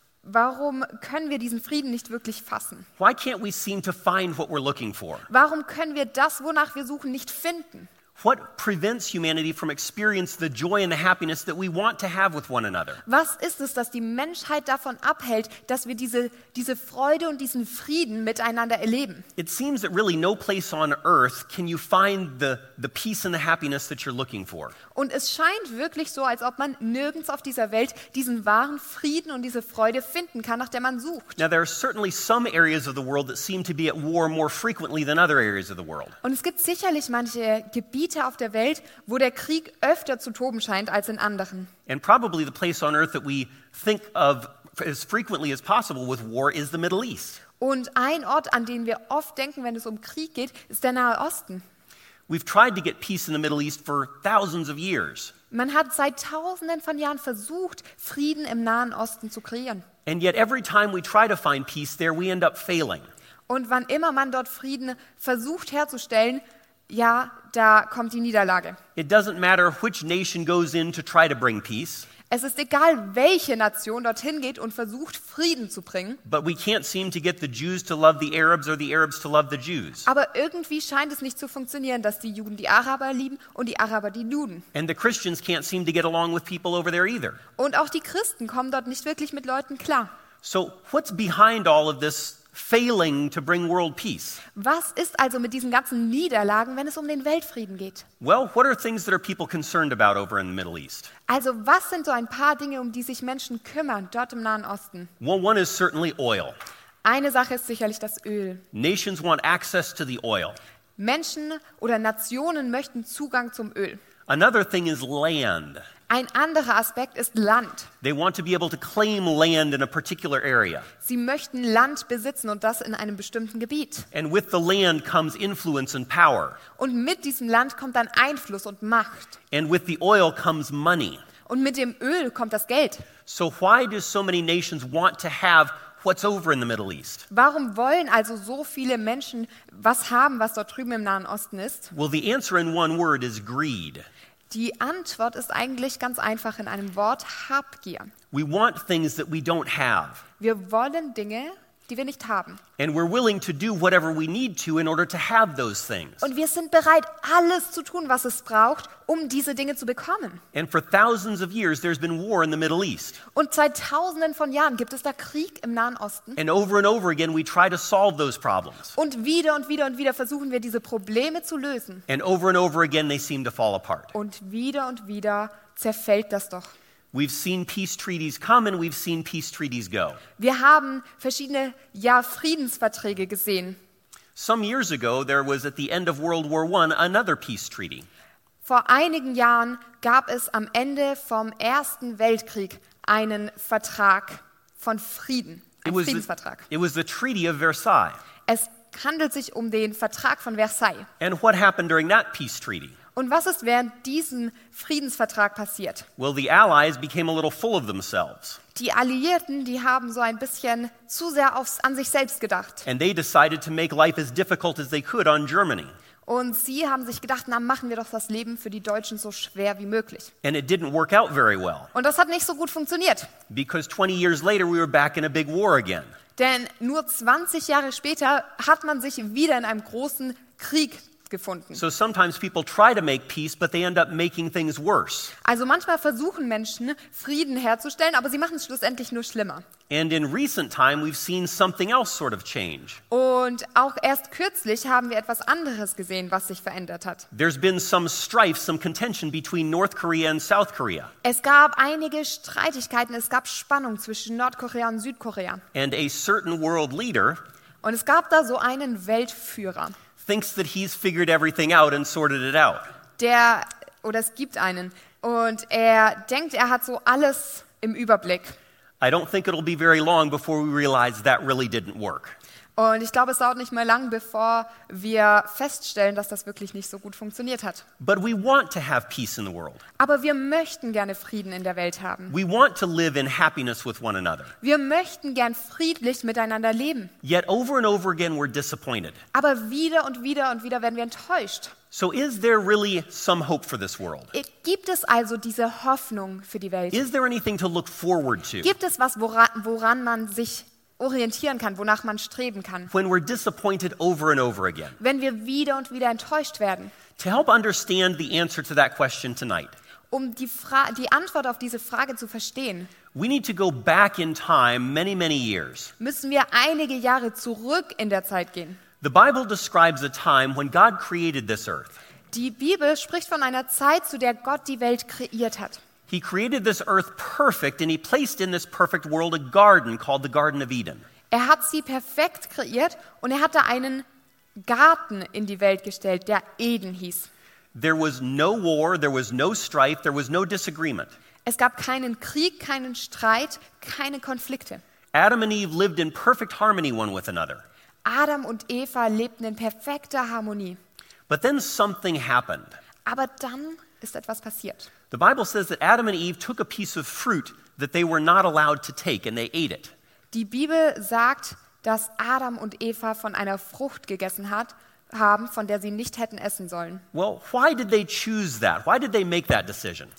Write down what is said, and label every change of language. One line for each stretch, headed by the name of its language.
German: Warum können wir diesen Frieden nicht wirklich fassen?
English: Why can't we seem to find what we're looking for?
German: Warum können wir das, wonach wir suchen, nicht finden?
English: What prevents humanity from experiencing the joy and the happiness that we want to have with one another?
German: Was ist es, das die Menschheit davon abhält, dass wir diese Freude und diesen Frieden miteinander erleben?
English: It seems that really no place on earth can you find the peace and the happiness that you're looking for.
German: Und es scheint wirklich so, als ob man nirgends auf dieser Welt diesen wahren Frieden und diese Freude finden kann, nach der man sucht.
English: Now there are certainly some areas of the world that seem to be at war more frequently than other areas of the world.
German: Und es gibt sicherlich manche Gebiete auf der Welt, wo der Krieg öfter zu toben scheint als in anderen.
English: And probably the place on earth that we think of as frequently as possible with war is the Middle East.
German: Und ein Ort, an den wir oft denken, wenn es um Krieg geht, ist der Nahe Osten.
English: We've tried to get peace in the Middle East for thousands of years.
German: Man hat seit tausenden von Jahren versucht, Frieden im Nahen Osten zu kreieren.
English: And yet every time we try to find peace there, we end up failing.
German: Und wann immer man dort Frieden versucht herzustellen, ja, da kommt die Niederlage.
English: It doesn't matter which nation goes in to try to bring peace.
German: Es ist egal, welche Nation dorthin geht und versucht, Frieden zu bringen.
English: But we can't seem to get the Jews to love the Arabs or the Arabs to love the Jews.
German: Aber irgendwie scheint es nicht zu funktionieren, dass die Juden die Araber lieben und die Araber die Juden.
English: And the Christians can't seem to get along with people over there either.
German: Und auch die Christen kommen dort nicht wirklich mit Leuten klar.
English: So what's behind all of this failing to bring world peace?
German: Was ist also mit diesen ganzen Niederlagen, wenn es um den Weltfrieden geht?
English: Well, what are things that are people concerned about over in the Middle East?
German: Also, was sind so ein paar Dinge, um die sich Menschen kümmern dort im Nahen Osten?
English: Well, one is certainly oil.
German: Eine Sache ist sicherlich das Öl.
English: Nations want access to the oil.
German: Menschen oder Nationen möchten Zugang zum Öl.
English: Another thing is land.
German: Ein anderer Aspekt ist Land.
English: They want to be able to claim land in a particular area.
German: Sie möchten Land besitzen und das in einem bestimmten Gebiet.
English: And with the land comes influence and power.
German: Und mit diesem Land kommt dann Einfluss und Macht.
English: And with the oil comes money.
German: Und mit dem Öl kommt das Geld.
English: So why do so many nations want to have what's over in the Middle East?
German: Warum wollen also so viele Menschen was haben, was dort drüben im Nahen Osten ist?
English: Well, the answer in one word is greed.
German: Die Antwort ist eigentlich ganz einfach in einem Wort: Habgier.
English: We want things that we don't have.
German: Wir wollen Dinge, die wir nicht haben.
English: And we're willing to do whatever we need to in order to have those things.
German: Und wir sind bereit, alles zu tun, was es braucht, um diese Dinge zu bekommen.
English: And for thousands of years there's been war in the Middle East.
German: Und seit tausenden von Jahren gibt es da Krieg im Nahen Osten.
English: And over again we try to solve those problems.
German: Und wieder und wieder und wieder versuchen wir, diese Probleme zu lösen.
English: And over again they seem to fall apart.
German: Und wieder zerfällt das doch.
English: We've seen peace treaties come and we've seen peace treaties go.
German: Wir haben verschiedene Friedensverträge gesehen.
English: Some years ago there was at the end of World War I another peace treaty.
German: Vor einigen Jahren gab es am Ende vom Ersten Weltkrieg einen Vertrag von Frieden, einen Friedensvertrag.
English: It was the Treaty of Versailles.
German: Es handelt sich um den Vertrag von Versailles.
English: And what happened during that peace treaty?
German: Und was ist während diesem Friedensvertrag passiert?
English: Well, the Allies became a little full of themselves.
German: Die Alliierten, die haben so ein bisschen zu sehr an sich selbst gedacht.
English: And they decided to make life as difficult as they could on Germany.
German: Und sie haben sich gedacht, na, machen wir doch das Leben für die Deutschen so schwer wie möglich.
English: And it didn't work out very well.
German: Und das hat nicht so gut funktioniert.
English: Because 20 years later we were back in a big war again.
German: Denn nur 20 Jahre später hat man sich wieder in einem großen Krieg gefunden.
English: So sometimes people try to make peace, but they end up making things worse.
German: Also manchmal versuchen Menschen, Frieden herzustellen, aber sie machen es schlussendlich nur schlimmer.
English: And in recent time we've seen something else sort of change.
German: Und auch erst kürzlich haben wir etwas anderes gesehen, was sich verändert hat.
English: There's been some strife, some contention between North Korea and South Korea.
German: Es gab einige Streitigkeiten, es gab Spannung zwischen Nordkorea und Südkorea.
English: And a certain world leader.
German: Und es gab da so einen Weltführer.
English: Thinks that he's figured everything out and sorted it out.
German: Der oder es gibt einen und er denkt, er hat so alles im Überblick.
English: I don't think it'll be very long before we realize that really didn't work.
German: Und ich glaube, es dauert nicht mehr lang, bevor wir feststellen, dass das wirklich nicht so gut funktioniert hat.
English: But we want to have peace in the world.
German: Aber wir möchten gerne Frieden in der Welt haben.
English: We want to live in happiness with one another.
German: Wir möchten gern friedlich miteinander leben.
English: Yet over and over again we're disappointed.
German: Aber wieder und wieder und wieder werden wir enttäuscht.
English: So is there really some hope for this world?
German: Gibt es also diese Hoffnung für die Welt?
English: Is there anything to look forward to?
German: Gibt es was, woran man sich orientieren kann, wonach man streben kann?
English: When we're disappointed over and over again.
German: Wenn wir wieder und wieder enttäuscht werden.
English: To help understand the answer to that question tonight.
German: Um die Antwort auf diese Frage zu verstehen.
English: We need to go back in time many, many years.
German: Müssen wir einige Jahre zurück in der Zeit gehen.
English: The Bible describes a time when God created this earth.
German: Die Bibel spricht von einer Zeit, zu der Gott die Welt kreiert hat.
English: He created this earth perfect and he placed in this perfect world a garden called the Garden of Eden.
German: Er hat sie perfekt kreiert und er hatte einen Garten in die Welt gestellt, der Eden hieß.
English: There was no war, there was no strife, there was no disagreement.
German: Es gab keinen Krieg, keinen Streit, keine Konflikte.
English: Adam and Eve lived in perfect harmony one with another.
German: Adam und Eva lebten in perfekter Harmonie.
English: But then something happened.
German: Aber dann ist etwas passiert.
English: The Bible says that Adam and Eve took a piece of fruit that they were not allowed to take and they ate it.
German: Die Bibel sagt, dass Adam und Eva von einer Frucht gegessen haben, von der sie nicht hätten essen sollen.
English: Well, why did they choose that? Why did they make that decision?